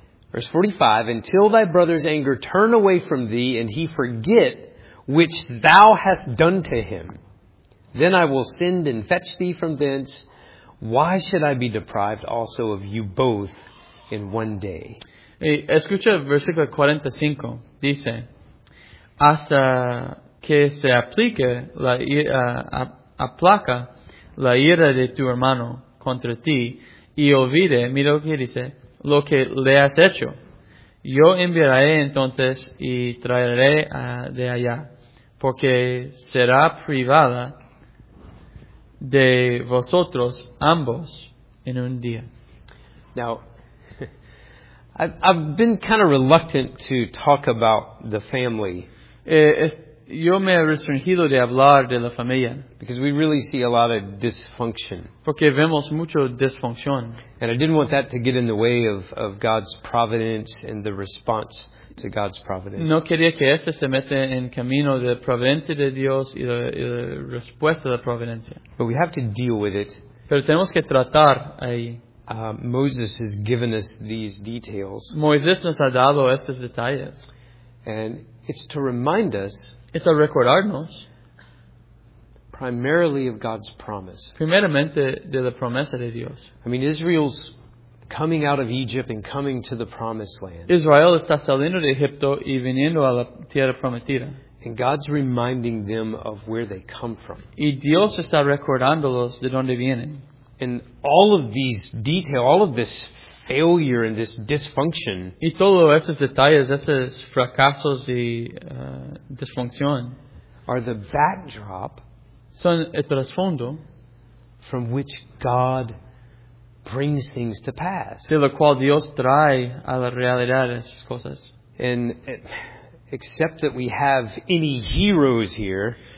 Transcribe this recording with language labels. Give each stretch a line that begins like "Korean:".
English: Verse 45, until thy brother's anger turn away from thee and he forget which thou hast done to him. Then I will send and fetch thee from thence. Why should I be deprived also of you both in one day?
Spanish: Escucha versículo 45. Dice, hasta que se aplique la ira, aplaca la ira de tu hermano contra ti, y olvide, mira lo que dice, lo que le has hecho. Yo enviaré entonces y traeré de allá, porque será privada de vosotros ambos en un día.
English: Now, I've been kind of reluctant to talk about the family.
Spanish: Yo me he restringido de hablar de la familia.
English: Because we really see a lot of dysfunction.
Spanish: Porque vemos mucho disfunción.
English: And I didn't want that to get in the way of God's providence and the response to God's providence.
Spanish: No quería que eso se meta en camino de providencia de Dios y la respuesta de providencia.
English: But we have to deal with it.
Spanish: Pero tenemos que tratar ahí.
English: Moses has given us these details.
Spanish: Moisés nos ha dado estos detalles.
English: And it's to remind us.
Spanish: Es a recordarnos.
English: Primarily of God's promise.
Spanish: Primeramente de la promesa de Dios.
English: I mean, Israel's coming out of Egypt and coming to the promised land.
Spanish: Israel está saliendo de Egipto y viniendo a la tierra prometida.
English: And God's reminding them of where they come from.
Spanish: Y Dios está recordándolos de dónde vienen.
English: And all of these details, all of this failure and this dysfunction.
Spanish: Y todos estos detalles, estos fracasos y disfunción,
English: are the backdrop.
Spanish: Son el trasfondo.
English: From which God brings things to pass.
Spanish: De lo cual Dios trae a la realidad esas cosas.
English: And except that we have any heroes here.